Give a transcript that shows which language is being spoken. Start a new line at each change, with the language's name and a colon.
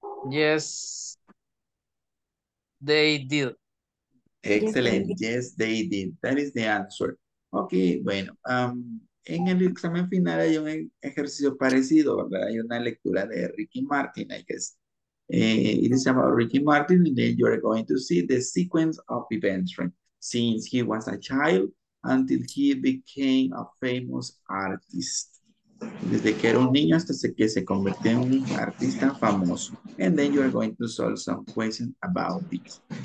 English: Yes, they did. Excellent. Yes, they did. That is the answer. Okay, bueno.
Spanish: En el examen final hay un ejercicio parecido, ¿verdad? Hay una lectura de Ricky Martin,
English: I guess. It is about Ricky Martin, and then you're going to see the sequence of events, right? Since he was a child until he became a famous artist.
Spanish: Desde que era un niño hasta que se convirtió en un artista famoso.
English: And then you're going to solve some questions about this.